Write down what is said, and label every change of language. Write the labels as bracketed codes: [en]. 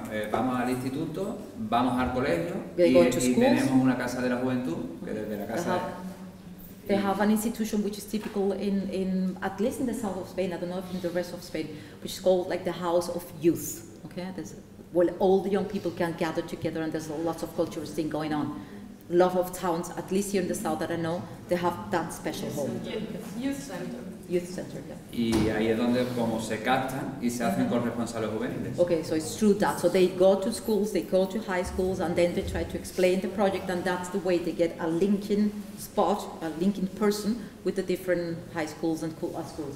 [es] vamos al instituto, vamos al colegio y tenemos una casa de la juventud que desde la casa. [en] They have an institution which is typical in at least in the south of Spain, I don't know if in the rest of Spain, which is called like the House of Youth. Okay, there's well all the young people can gather together and there's lots of cultural thing going on. A lot of towns, at least here in the south that I know, they have that special home. Youth center, yeah. [es] Y ahí es donde como se captan y se hacen corresponsales juveniles. [en] Okay, so it's through that. So they go to schools, they go to high schools and then they try to explain the project and that's the way they get a linking spot, a linking person with the different high schools and schools.